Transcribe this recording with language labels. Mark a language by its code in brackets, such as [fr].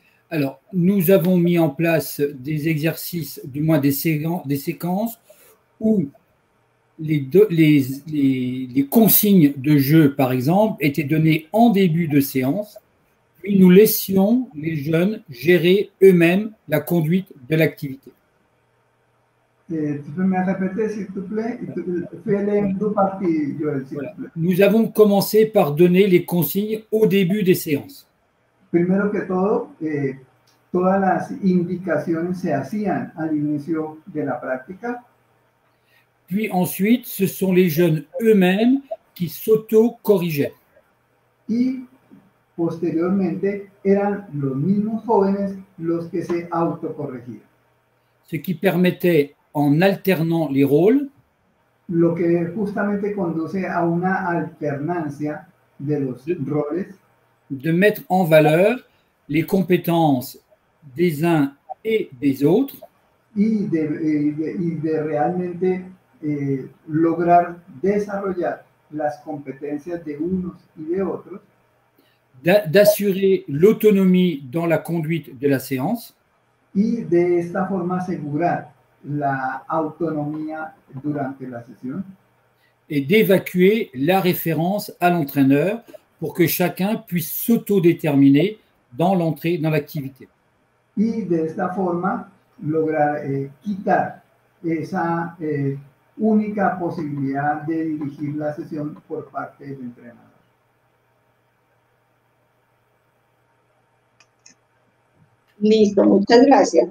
[fr] Alors, nous avons mis en place des exercices, du moins des séquences, où les consignes de jeu, par exemple, étaient données en début de séance, puis nous laissions les jeunes gérer eux-mêmes la conduite de l'activité. Tu peux me répéter, s'il te plaît ? Fais les deux parties, Joël, s'il te plaît. Nous avons commencé par donner les consignes au début des séances. [es] Primero que todo, todas las indicaciones se hacían al inicio de la práctica. [fr] Puis ensuite, ce sont les jeunes eux-mêmes qui s'auto-corrigeaient. [es] Y posteriormente, eran los mismos jóvenes los que se autocorregían. [fr] Ce qui permettait, en alternant les rôles, [es] lo que justamente conduce a una alternancia de los roles, [fr] de mettre en valeur les compétences des uns et des autres, [es] y de realmente lograr desarrollar las competencias de unos y de otros, [fr] d'assurer l'autonomie dans la conduite de la séance, [es] y de esta forma asegurar la autonomía durante la sesión, [fr] et d'évacuer la référence à l'entraîneur pour que chacun puisse s'autodéterminer dans l'entrée dans l'activité. [es] Y de esta forma lograr quitar esa única posibilidad de dirigir la sesión por parte del entrenador. Listo, muchas gracias.